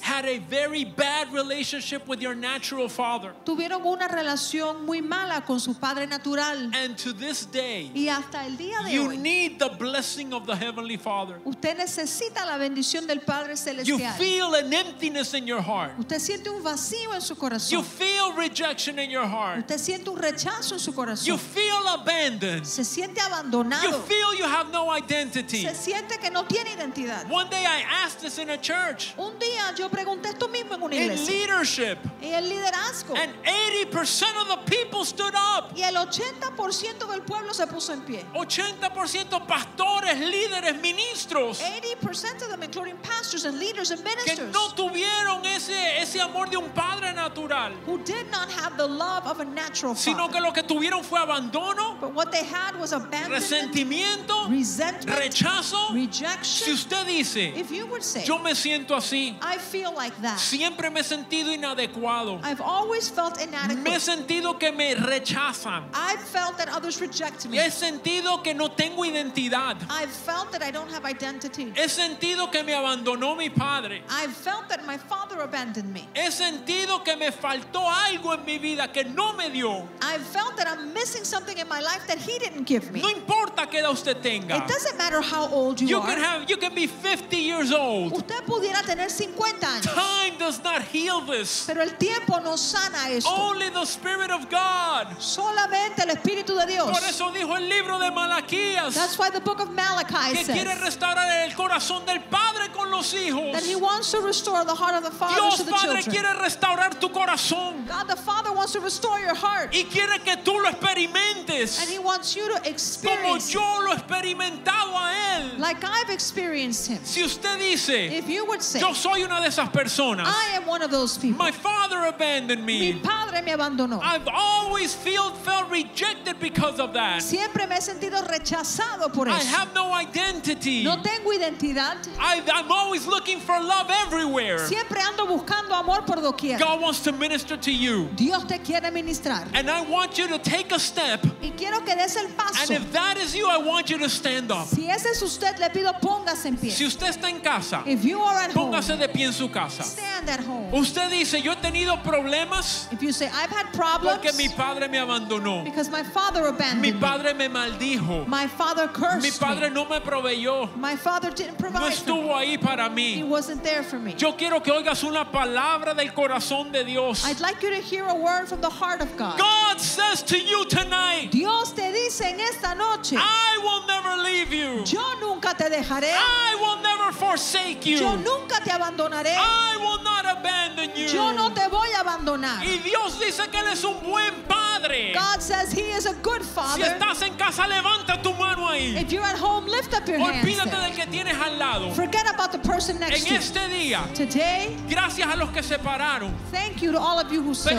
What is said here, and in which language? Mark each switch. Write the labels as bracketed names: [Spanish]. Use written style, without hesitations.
[English] Had a very bad relationship with your natural father. [Spanish] Tuvieron una relación muy mala con su padre natural. [English] And to this day. [Spanish] Y hasta el día de [English] you [Spanish] hoy. [English] You need the blessing of the Heavenly Father. [Spanish] Usted necesita la bendición del Padre Celestial. [English] You feel an emptiness in your heart. [Spanish] Usted siente un vacío en su corazón. [English] You feel rejection in your heart. [Spanish] Usted siente un rechazo en su corazón. [English] You feel abandoned. [Spanish] Se siente abandonado. [English] You feel you have no identity. [Spanish] Se siente que no tiene identidad. [English] One day I asked this in a church. [Spanish] Un día yo pregunté esto mismo en una iglesia. [English] In leadership. [Spanish] Y el liderazgo. [English] And 80% of the people stood up. [Spanish] Y el 80% del pueblo se puso en pie. 80% pastores, líderes, ministros. [English] 80% of them, including pastors and leaders and ministers. [Spanish] Que no tuvieron ese amor de un padre natural. [English] Who did not have the love of a natural father. [Spanish] Sino que lo que tuvieron fue abandono, [English] but what they had was abandonment, [Spanish] resentimiento, [English] resentment, [Spanish] rechazo, [English] rejection. [Spanish] Si usted dice, [English] if you would say, [Spanish] yo me siento así, [English] I feel like that. [Spanish] Siempre me he sentido inadecuado. [English] I've always felt inadequate. [Spanish] Me he sentido que me rechazan. [English] I've felt that others reject me. [Spanish] He sentido que no tengo identidad. [English] I've felt that I don't have identity. [Spanish] He sentido que me abandonó mi padre. [English] I've felt that my father abandoned me. [Spanish] He sentido que me faltó faltó algo en mi vida que no me dio. [English] I felt that I'm missing something in my life that he didn't give me. [Spanish] No importa qué edad usted tenga. [English] It doesn't matter how old you are. You can be 50 years old. [Spanish] Usted pudiera tener 50 años. [English] Time does not heal this. [Spanish] Pero el tiempo no sana esto. [English] Only the Spirit of God. [Spanish] Solamente el Espíritu de Dios. Por eso dijo el libro de Malaquías. [English] That's why the book of Malachi [Spanish] que [English] says. [Spanish] Quiere restaurar el corazón del padre con los hijos. [English] That he wants to restore the heart of the father [Spanish] Dios [English] to the [Spanish] padre [English] children. [Spanish] Quiere restaurar tu corazón. [English] God the Father wants to restore your heart. [Spanish] Y quiere que tú lo experimentes. [English] And he wants you to experience. [Spanish] Como yo lo he experimentado a él. [English] Like I've experienced him. [Spanish] Si usted dice, [English] if you would say, [Spanish] yo soy una de esas personas. [English] I am one of those people. My father abandoned me. [Spanish] Mi padre me abandonó. [English] I've always felt rejected because of that. [Spanish] Siempre me he sentido rechazado por eso. [English] I have no identity. [Spanish] No tengo identidad. [English] I'm always looking for love everywhere. [Spanish] Siempre ando buscando amor por doquier. [English] God wants to minister to you. [Spanish] Dios te quiere ministrar. [English] And I want you to take a step. [Spanish] Y quiero que des el paso. [English] And if that is you, I want you to stand up. [Spanish] Si ese es usted, le pido póngase en pie. Si usted está en casa, [English] if you are at [Spanish] póngase [English] home, [Spanish] de pie en su casa. [English] Stand at home. [Spanish] Usted dice, yo he tenido problemas. [English] If you say, I've had problems. [Spanish] Porque mi padre me abandonó. [English] Because my father abandoned me. [Spanish] Mi padre me maldijo. [English] My father cursed me. [Spanish] Mi padre no me proveyó. [English] My father didn't provide. [Spanish] No estuvo ahí para mí. [English] He wasn't there for me. [Spanish] Yo quiero que oigas una palabra del corazón de Dios. [English] I'd like you to hear a word from the heart of God. God says to you tonight. [Spanish] Dios te dice en esta noche. [English] I will never leave you. [Spanish] Yo nunca te dejaré. [English] I will never forsake you. [Spanish] Yo nunca te abandonaré. [English] I will not abandon you. [Spanish] Yo no te voy a abandonar. Y Dios dice que él es un buen padre. [English] God says he is a good father. [Spanish] Si estás en casa, levanta tu mano ahí. [English] If you're at home, lift up your hands. [Spanish] Olvídate del que tienes al lado. [English] Forget about the person next to you. [Spanish] En este día. [English] Today. [Spanish] Gracias a los que se pararon. [English] Thank you to all of you who stood.